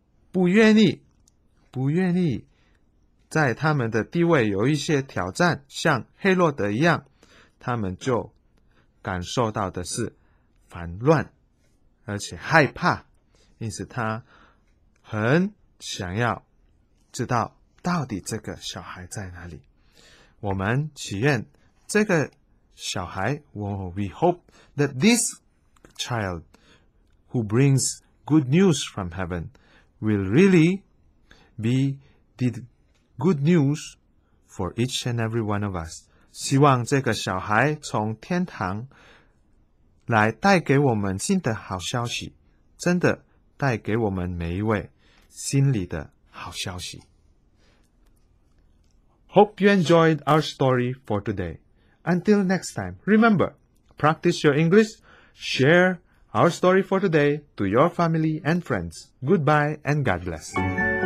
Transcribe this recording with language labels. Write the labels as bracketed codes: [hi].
[zh] 不愿意在他们的地位有一些挑战，像黑洛德一样，他们就感受到的是烦乱，而且害怕，因此他很想要知道到底这个小孩在哪里。我们祈愿这个小孩 [en] ，We hope that this child who brings good news from heaven will really be the good news for each and every one of us. [zh] 希望这个小孩从天堂来带给我们新的好消息，真的带给我们每一位心里的好消息。 [en] Hope you enjoyed our story for today. Until next time, remember, practice your English, share our story for today to your family and friends. Goodbye and God bless.